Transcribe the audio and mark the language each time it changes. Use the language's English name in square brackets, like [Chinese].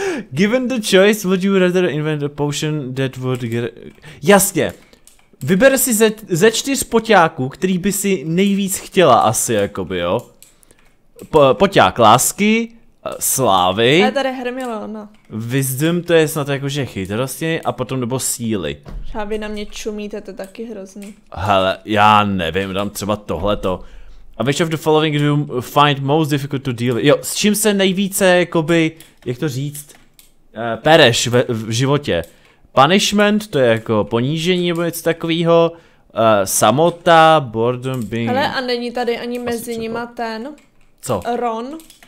[English] Given the choice, would you rather invent a potion that would get... [Czech] Jasně. Vyber si ze čtyř poťáků, který by si nejvíc chtěla asi, jakoby, jo. Poťák lásky, slávy. A tady Hermiona. Wisdom, to je snad jakože chytrosti a potom nebo síly. A vy na mě čumíte, to je taky hrozný. Hele, já nevím, dám třeba tohleto. [English] A which of the following do you find most difficult to deal with? [Czech] Jo, s čím se nejvíce, jakoby, jak to říct, pereš v životě. Punishment, to je jako ponížení nebo něco takového. Samota, [English] boredom, being... [Czech] Hele, a není tady ani mezi nima ten... Co? Ron.